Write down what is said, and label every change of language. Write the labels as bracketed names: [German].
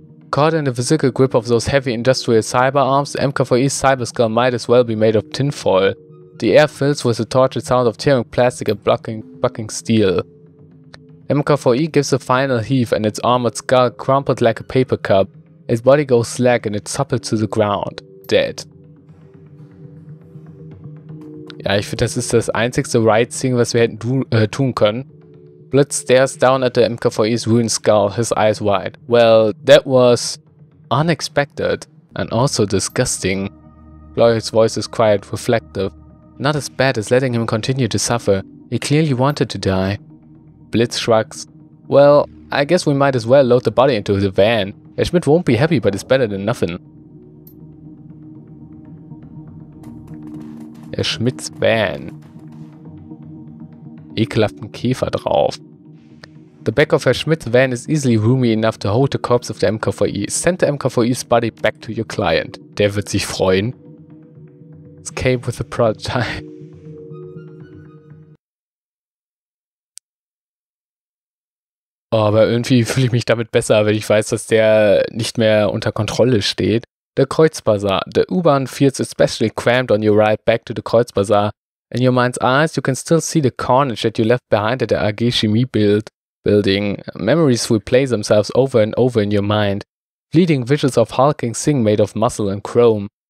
[English] Caught in the physical grip of those heavy industrial cyber arms, the MKVI's cyber skull might as well be made of tinfoil. The air fills with the tortured sound of tearing plastic and bucking steel. MKVI gives a final heave, and its armored skull crumpled like a paper cup. His body goes slack and it toppled to the ground. Dead. [German] Ja, ich finde, das ist das einzigste [English] right thing, [German] was wir hätten tun können. [English] Blitz stares down at the MKVI's ruined skull, his eyes wide. Well, that was unexpected and also disgusting. Gloria's voice is quiet, reflective. Not as bad as letting him continue to suffer. He clearly wanted to die. Blitz shrugs. Well, I guess we might as well load the body into the van. Herr Schmidt won't be happy, but it's better than nothing. Herr Schmidts Van. [German] Ekelhaften Käfer drauf. [English] The back of Herr Schmidts Van is easily roomy enough to hold the corpse of the MKVI. Send the MKVI's body back to your client. [German] Der wird sich freuen. [English] Escape with the prototype. [German] Aber irgendwie fühle ich mich damit besser, wenn ich weiß, dass der nicht mehr unter Kontrolle steht. [English] The Kreuzbazaar. The U-Bahn feels especially cramped on your ride back to the Kreuzbazaar. In your mind's eyes, you can still see the carnage that you left behind at the AG Chemie building. Memories replay themselves over and over in your mind. Fleeting visions of hulking thing made of muscle and chrome.